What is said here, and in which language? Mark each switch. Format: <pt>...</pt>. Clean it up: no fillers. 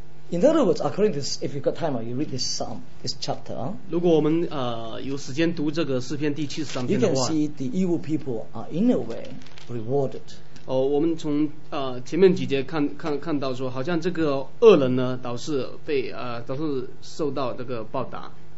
<en>In other words, according to this, if you've got time, you read this psalm, this chapter.</en> <zh>如果我们有时间读这个诗篇第七十三篇的话</zh> <en>you can see the evil people are in a way rewarded.</en> <zh>我们从前面几节看到说，好像这个恶人呢，倒是被倒是受到这个报答。</zh>